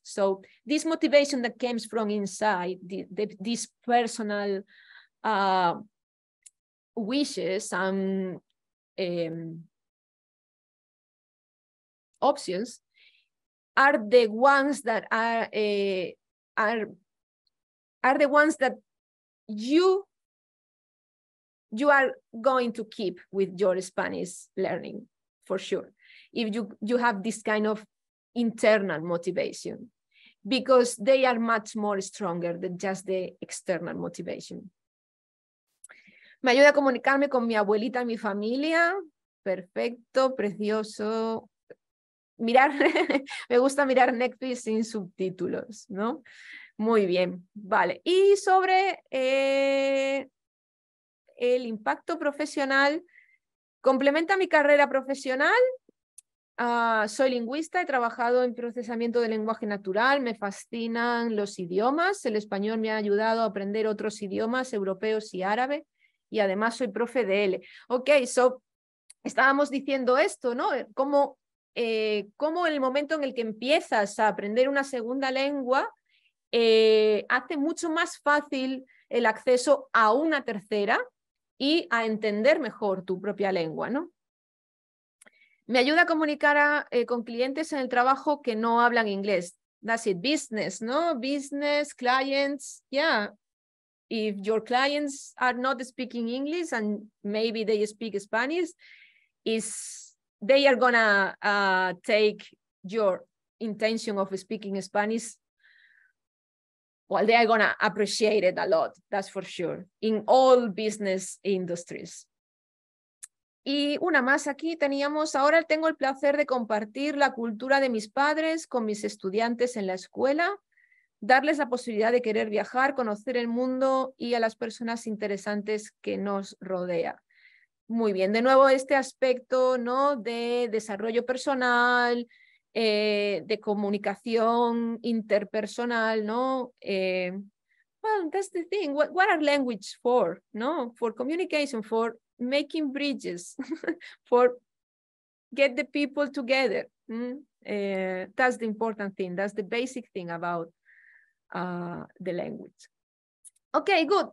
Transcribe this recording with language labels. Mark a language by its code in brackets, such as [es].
[en] So this motivation that comes from inside, this personal wishes and options are the ones that are the ones that you are going to keep with your Spanish learning, for sure. If you have this kind of internal motivation, because they are much more stronger than just the external motivation. [es] Me ayuda a comunicarme con mi abuelita y mi familia. Perfecto, precioso. Mirar, me gusta mirar Netflix sin subtítulos, ¿no? Muy bien, vale. Y sobre el impacto profesional, ¿complementa mi carrera profesional? Soy lingüista, he trabajado en procesamiento de lenguaje natural, me fascinan los idiomas, el español me ha ayudado a aprender otros idiomas europeos y árabe, y además soy profe de L. Ok, so estábamos diciendo esto, ¿no? Cómo el momento en el que empiezas a aprender una segunda lengua hace mucho más fácil el acceso a una tercera y a entender mejor tu propia lengua, ¿no? Me ayuda a comunicar con clientes en el trabajo que no hablan inglés. [en] That's it, business, ¿no? Business, clients, yeah. If your clients are not speaking English and maybe they speak Spanish, they are gonna take your intention of speaking Spanish. Well, they are gonna appreciate it a lot, that's for sure, in all business industries. [es] Y una más aquí teníamos, ahora tengo el placer de compartir la cultura de mis padres con mis estudiantes en la escuela, darles la posibilidad de querer viajar, conocer el mundo y a las personas interesantes que nos rodea. Muy bien, de nuevo este aspecto, ¿no?, de desarrollo personal, de comunicación interpersonal, ¿no? [en] Well, that's the thing, what are languages for, ¿no? For communication, for making bridges, for get the people together. That's the important thing. That's the basic thing about the language. Okay, good.